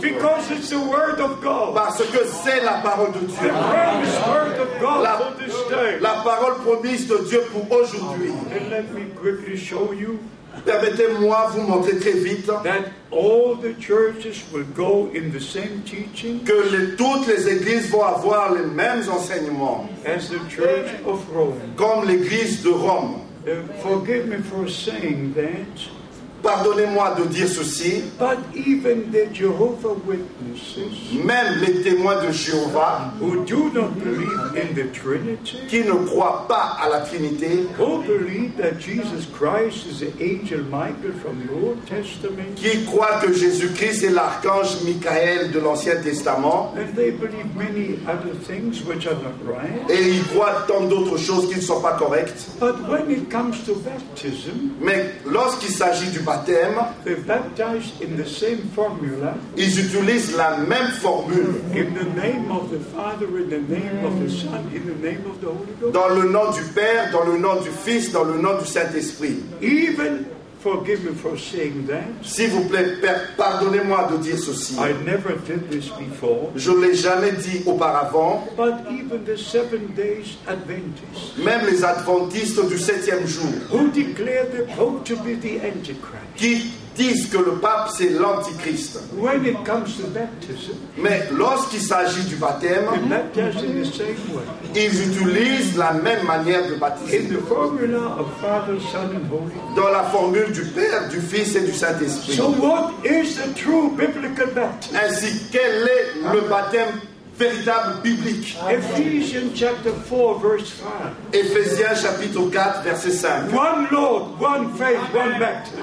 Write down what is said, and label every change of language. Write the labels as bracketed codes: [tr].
[en] Because it's the word of God. [fr] Parce que c'est la parole de Dieu. [en] The promised word of God for this day. [fr] La parole promise de Dieu pour aujourd'hui. [en] And let me quickly show you. [fr] Permettez-moi vous montrer très vite [en] that all the churches will go in the same teaching, [fr] que toutes les églises vont avoir les mêmes enseignements, [en] as the church of Rome, [fr] comme l'église de Rome. [en] Forgive me for saying that. [fr] Pardonnez-moi de dire ceci. [en] But even the Jehovah Witnesses, [fr] même les témoins de Jéhovah, [en] who do not believe in the Trinity, [fr] qui ne croient pas à la Trinité, [en] who believe that Jesus Christ is the angel Michael from the Old Testament, [fr] qui croient que Jésus-Christ est l'archange Michael de l'Ancien Testament, [en] and they believe many other things which are not right, [fr] et ils croient tant d'autres choses qui ne sont pas correctes. [en] But when it comes to baptism, [fr] mais lorsqu'il s'agit du baptême, [en] they baptize in the same formula, [fr] ils utilisent la même formule, [en] in the name of the Father, in the name of the Son, in the name of the Holy Ghost, [fr] dans le nom du Père, dans le nom du Fils, dans le nom du Saint-Esprit. [en] Even, forgive me for saying that, [fr] s'il vous plaît, pardonnez-moi de dire ceci, [en] I never did this before, [fr] je ne l'ai jamais dit auparavant, [en] but even the seven days Adventists, [fr] même les Adventistes du septième jour, [en] who declared the Pope to be the Antichrist, [fr] qui disent que le pape c'est l'Antichrist. [en] When it comes to baptism, [fr] mais lorsqu'il s'agit du baptême, [en] they baptize in the same way, [fr] ils utilisent la même manière de baptiser. [en] In the formula of Father, Son, and Holy Ghost, [fr] dans la formule du Père, du Fils et du Saint-Esprit. [en] So what is the true biblical baptism? [fr] Ainsi, quel est le baptême véritable biblique? [en] Ephesians chapter 4 verse 5. [fr] Ephésiens chapitre 4 verset 5. [en] One Lord, one faith, one baptism.